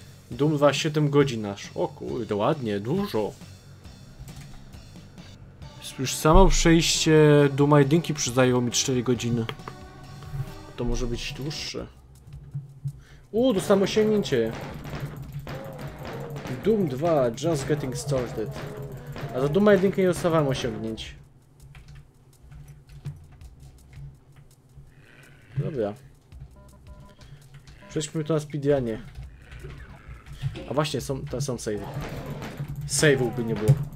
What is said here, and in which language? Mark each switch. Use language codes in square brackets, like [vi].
[pl] Doom 2, 7 godzin aż. O kurde, ładnie, dużo. Już samo przejście Dooma 1 przydało mi 4 godziny. To może być dłuższe. Uuu, dostałem osiągnięcie. [en] Doom 2, just getting started. [pl] A za Dooma 1 nie dostawałem osiągnięć. Dobra. Przejdźmy to na speedrunie. A właśnie, są save. Save by nie było.